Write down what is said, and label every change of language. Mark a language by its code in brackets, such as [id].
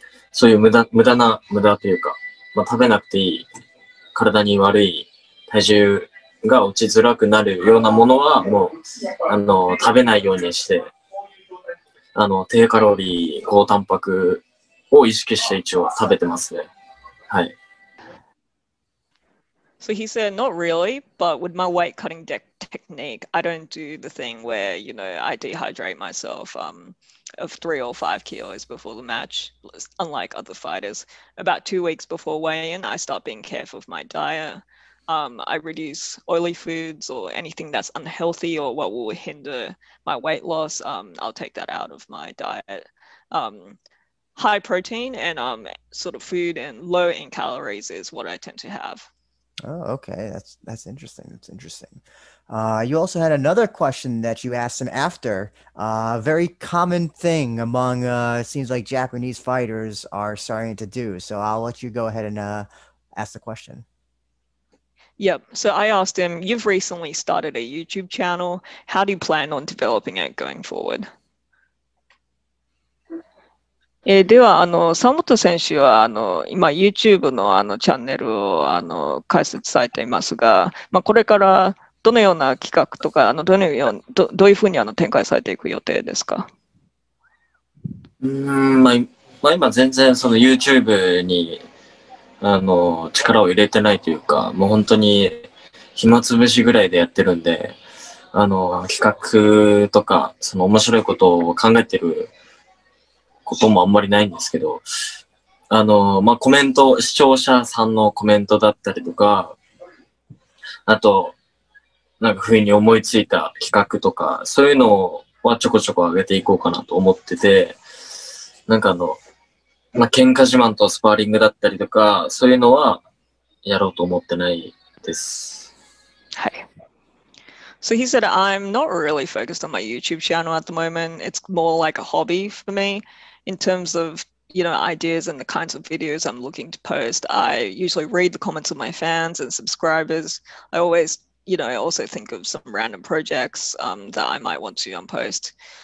[ja] そういう無駄というか、まあ、食べなくていい、体に悪い、体重が落ちづらくなるようなものは、もう、食べないようにして、低カロリー、高タンパクを意識して一応食べてますね。はい。 [en] So he said, not really, but with my weight cutting technique, I don't do the thing where, you know, I dehydrate myself of 3 or 5 kilos before the match, unlike other fighters. About 2 weeks before weigh-in, I start being careful of my diet. I reduce oily foods or anything that's unhealthy or what will hinder my weight loss. I'll take that out of my diet. High protein and sort of food and low in calories is what I tend to have. Oh, okay. That's interesting. That's interesting. You also had another question that you asked him after. A very common thing among, seems like Japanese fighters are starting to do. So I'll let you go ahead and ask the question. Yep. So I asked him, you've recently started a YouTube channel. How do you plan on developing it going forward? [ja] では山本選手は今 YouTube の, チャンネルを開設されていますが、まあ、これからどのような企画とか どういうふうに展開されていく予定ですか？まあ、今全然その YouTube に力を入れてないというか、もう本当に暇つぶしぐらいでやってるんで、企画とかその面白いことを考えてることもあんまりないんですけど、まあ、コメント、視聴者さんのコメントだったりとか、あと、なんか不意に思いついた企画とか、そういうのはちょこちょこ上げていこうかなと思ってて、なんかまあ、喧嘩自慢とスパーリングだったりとか、そういうのはやろうと思ってないです。はい。 [en] So he said, I'm not really focused on my YouTube channel at the moment. It's more like a hobby for me. In terms of, you know, ideas and the kinds of videos I'm looking to post, I usually read the comments of my fans and subscribers. I always, you know, also think of some random projects that I might want to post.